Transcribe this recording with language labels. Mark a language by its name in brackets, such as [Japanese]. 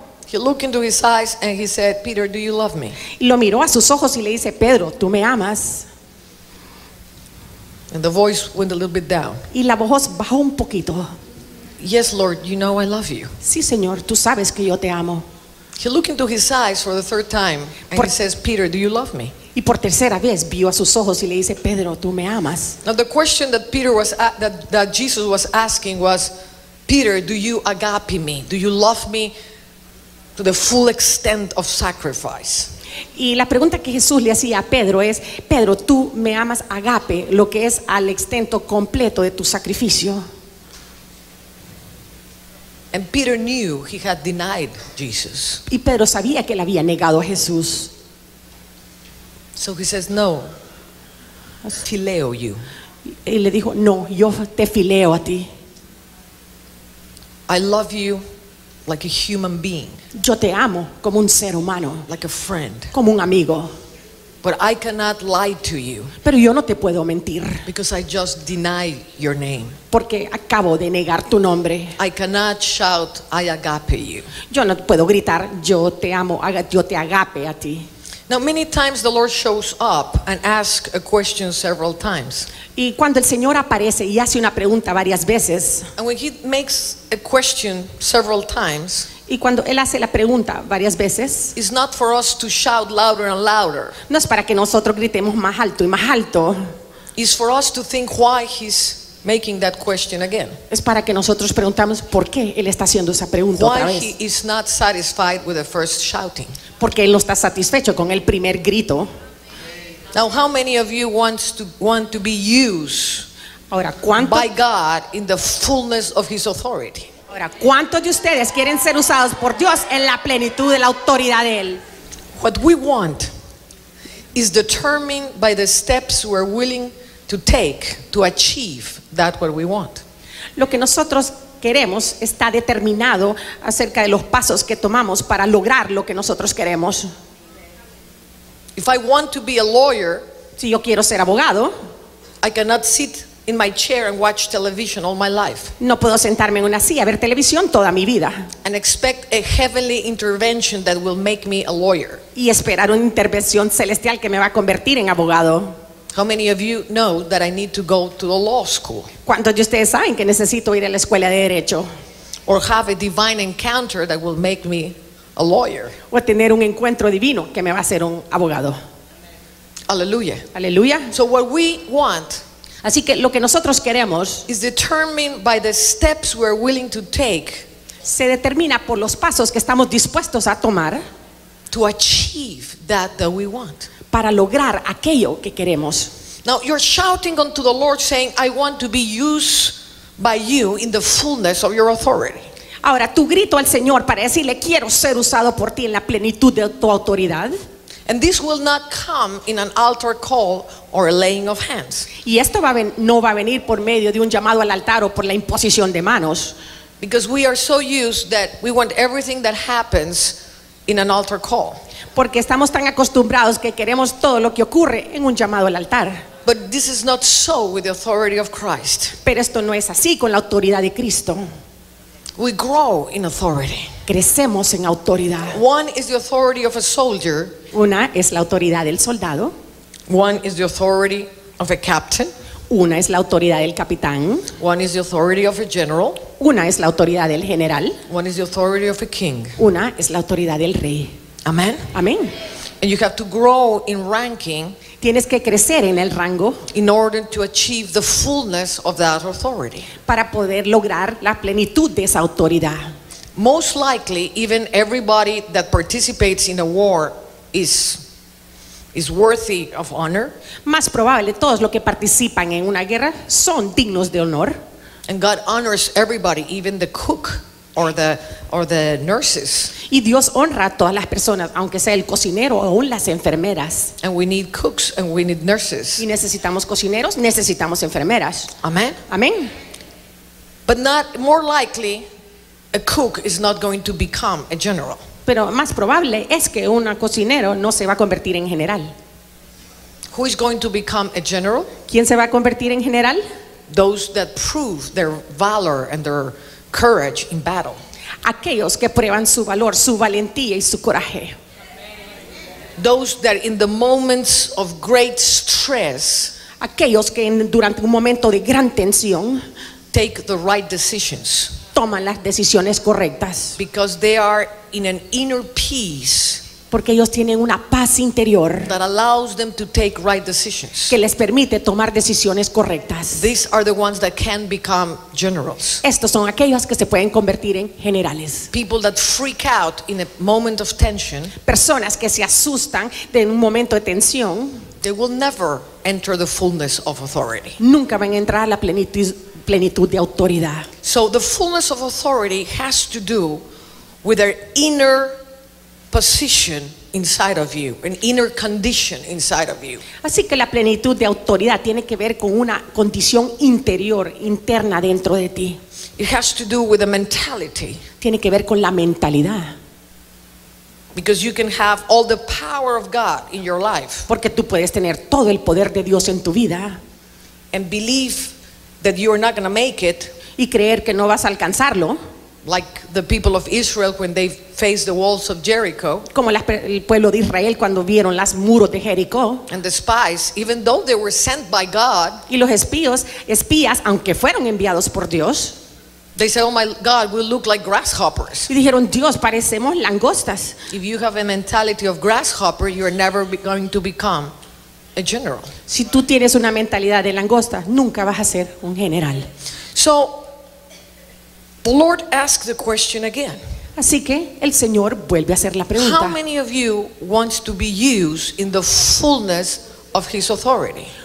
[English] He looked into his eyes and he said, Peter, do you love me? [Spanish] Y lo miró a sus ojos y le dice, Pedro, ¿tú me amas? [English] And the voice went a little bit down. [Spanish] Y la voz bajó un poquito. [English] Yes, Lord, you know I love you. [Spanish] Sí, Señor, tú sabes que yo te amo. [English] He looked into his eyes for the third time and he says, Peter, do you love me? [Spanish] Y por tercera vez vio a sus ojos y le dice, Pedro, ¿tú me amas? [English] Now the question that Peter was that Jesus was asking was, Peter, do you agape me? Do you love me to the full extent of sacrifice? [Spanish] Y la pregunta que Jesús le hacía a Pedro es, Pedro, ¿tú me amas agape, lo que es al extento completo de tu sacrificio? [English] And Peter knew he had denied Jesus. [Spanish] Y Pedro sabía que él había negado a Jesús. [English] So he says, no, fileo you. [Spanish] Y le dijo, no, yo te fileo a ti. [English] I love you like a human being. [Spanish] Yo te amo como un ser humano. [English] Like a friend. [Spanish] Como un amigo. [English] But I cannot lie to you. [Spanish] Pero yo no te puedo mentir. [English] Because I just deny your name. [Spanish] Porque acabo de negar tu nombre. [English] I cannot shout, I agape you. [Spanish] Yo no puedo gritar, yo te amo, yo te agape a ti. [English] Now many times the Lord shows up and asks a question several times. [Spanish] Y cuando el Señor aparece y hace una pregunta varias veces. [English] And when he makes a question several times. [Spanish] Y cuando él hace la pregunta varias veces. [English] It's not for us to shout louder and louder. [Spanish] No es para que nosotros gritemos más alto y más alto. [English] It's for us to think why he's making that question again. [Spanish] Es para que nosotros preguntamos por qué él está haciendo esa pregunta otra vez. [English] Why he is not satisfied with the first shouting. [Spanish] Porque él no está satisfecho con el primer grito. [English] Now how many of you want to be used? [Spanish] Ahora, ¿cuánto? [English] By God in the fullness of his authority. [Spanish] Ahora, ¿cuántos de ustedes quieren ser usados por Dios en la plenitud de la autoridad de él? [English] What we want is determined by the steps we're willing to take to achieve that what we want. [Spanish] Lo que nosotros queremos está determinado acerca de los pasos que tomamos para lograr lo que nosotros queremos. [English] If I want to be a lawyer, [Spanish] si yo quiero ser abogado, [English] I cannot sit in my chair and watch television all my life. [Spanish] No puedo sentarme en una silla a ver televisión toda mi vida. [English] And expect a heavenly intervention that will make me a lawyer. [Spanish] Y esperar una intervención celestial que me va a convertir en abogado. [English] How many of you know that I need to go to the law school? [Spanish] ¿Cuántos de ustedes saben que necesito ir a la escuela de derecho? [English] Or have a divine encounter that will make me a lawyer. [Spanish] O tener un encuentro divino que me va a hacer un abogado. Aleluya. Aleluya. [English] So what we want, [Spanish] así que lo que nosotros queremos, [English] is determined by the steps we're willing to take, [Spanish] se determina por los pasos que estamos dispuestos a tomar, [English] to achieve that we want, [Spanish] para lograr aquello que queremos. [English] Now you're shouting unto the Lord saying, I want to be used by you in the fullness of your authority. [Spanish] Ahora tu grito al Señor para decirle, quiero ser usado por ti en la plenitud de tu autoridad. [English] And this will not come in an altar call or a laying of hands. [Spanish] Y esto no va a venir por medio de un llamado al altar o por la imposición de manos. [English] Because we are so used that we want everything that happens in an altar call. [Spanish] Porque estamos tan acostumbrados que queremos todo lo que ocurre en un llamado al altar. [English] But this is not so with the authority of Christ. [Spanish] Pero esto no es así con la autoridad de Cristo. [English] We grow in authority. [Spanish] Crecemos en autoridad. [English] One is the authority of a soldier. [Spanish] Una es la autoridad del soldado. [English] One is the authority of a captain. [Spanish] Una es la autoridad del capitán. [English] One is the authority of a general. [Spanish] Una es la autoridad del general. [English] One is the authority of a king. [Spanish] Una es la autoridad del rey. [English] Amen. [Spanish] Amén. [English] And you have to grow in ranking. [Spanish] Tienes que crecer en el rango. [English] In order to achieve the fullness of that authority. [Spanish] Para poder lograr la plenitud de esa autoridad. [English] Most likely, even everybody that participates in a war is worthy of honor. [Spanish] Más probable, todos los que participan en una guerra son dignos de honor. [English] And God honors everybody, even the cook. or the nurses. [Spanish] Y Dios honra a todas las personas, aunque sea el cocinero o aún las enfermeras. [English] And we need cooks and we need nurses. [Spanish] Y necesitamos cocineros, necesitamos enfermeras. [English] Amen. [Spanish] Amen. [English] But not more likely a cook is not going to become a general. [Spanish] Pero más probable es que un cocinero no se va a convertir en general. [English] Who is going to become a general? [Spanish] ¿Quién se va a convertir en general? [English] Those that prove their valor and their courage in battle. [Spanish] Aquellos que prueban su valor, su valentía y su coraje. [English] Those that in the moments of great stress, [Spanish] aquellos que durante un momento de gran tensión, [English] take the right decisions. [Spanish] Toman las decisiones correctas. [English] Because they are in an inner peace. [Spanish] Porque ellos tienen una paz interior [English] that allows them to take right decisions. [Spanish] Que les permite tomar decisiones correctas. [English] These are the ones that can become generals. [Spanish] Estos son aquellos que se pueden convertir en generales. [English] People that freak out in a moment of tension, [Spanish] personas que se asustan en un momento de tensión, [English] they will never enter the fullness of authority. [Spanish] Nunca van a entrar a la plenitud de autoridad. [English] So the fullness of authority has to do with their inner position inside of you, an inner condition inside of you. [Spanish] Así que la plenitud de autoridad tiene que ver con una condición interior, interna dentro de ti. [English] It has to do with a mentality. [Spanish] Tiene que ver con la mentalidad. [English] Because you can have all the power of God in your life. [Spanish] Porque tú puedes tener todo el poder de Dios en tu vida. [English] And believe that you are not going to make it. [Spanish] Y creer que no vas a alcanzarlo. [English] Like the people of Israel when they faced the walls of Jericho. [Spanish] Como el pueblo de Israel cuando vieron los muros de Jericó. [English] And the spies, even though they were sent by God. [Spanish] Y los espías, aunque fueron enviados por Dios. [English] They said, "Oh my God, we look like grasshoppers." [Spanish] Y dijeron, Dios, parecemos langostas. [English] If you have a mentality of grasshopper, you are never going to become a general. [Spanish] Si tú tienes una mentalidad de langosta, nunca vas a ser un general. [English] So the Lord asks the question again. [Spanish] Así que el Señor vuelve a hacer la pregunta. [English] How many of you wants to be used in the fullness of His authority?